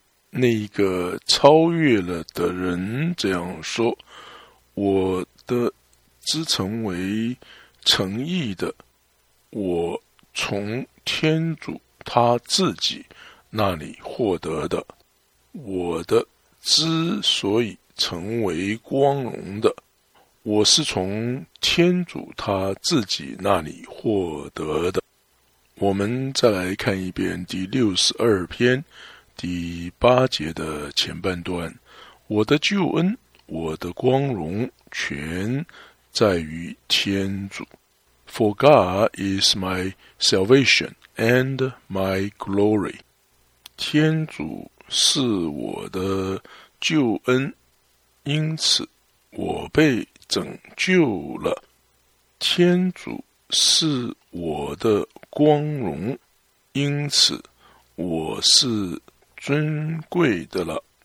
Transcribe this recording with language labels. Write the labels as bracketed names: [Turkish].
[Chinese] 那一个超越了的人这样说，我的自称为诚意的，我从天主他自己那里获得的，我的之所以成为光荣的，我是从天主他自己那里获得的。我们再来看一遍第62篇第8节的前半段，我的救恩，我的光荣全在于天主。 [English] For God is my salvation and my glory. [Chinese] 天主是我的救恩，因此我被拯救了。天主是我的光荣，因此我是尊贵的了。